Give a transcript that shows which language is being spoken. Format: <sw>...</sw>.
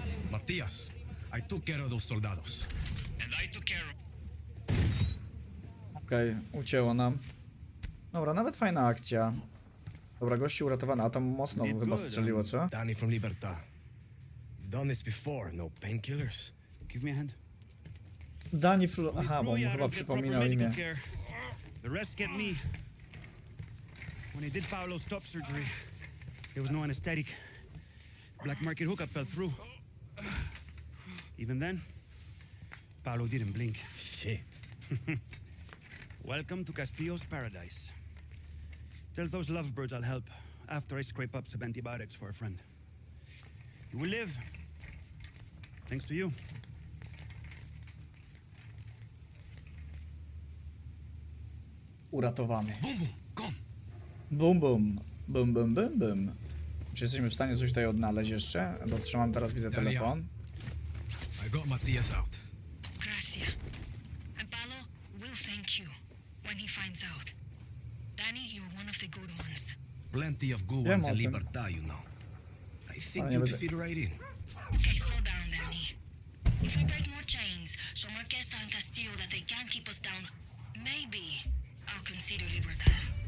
<en>Matthias, I took care of those soldados. And I took care of...</en> <pl>Okej, ucięło nam. Dobra, nawet fajna akcja. Dobra, gości uratowany, a tam mocno chyba strzeliło, co?</pl> <en>Danny from Libertad. Done this before, no painkillers. Give me a hand. Danny Flo.</en> <pl>Aha, bo on chyba przypominał imię.</pl> <en>The rest get me. When he did Paolo's top surgery, there was no anesthetic. Black market hookup fell through. Even then, Paolo didn't blink. Shit. Welcome to Castillo's paradise. Tell those lovebirds I'll help after I scrape up some antibiotics for a friend. You will live. Thanks to you.</en> <pl>Uratowany. Bum bum, come. Bum bum. Bum, bum, bum, bum. Czy jesteśmy w stanie coś tutaj odnaleźć jeszcze? Bo trzymam teraz, widzę telefon.</pl> <en>I got Matthias out.</en> <es>Gracias.</es> <en>And Paolo will thank you when he finds out. Danny, you're one of the good ones. Plenty of good ones in Libertad, you know. I think you could fit right in. Okay, slow down, Danny. If we break more chains, show Marquesa and Castillo that they can keep us down, maybe I'll consider Libertad.</en>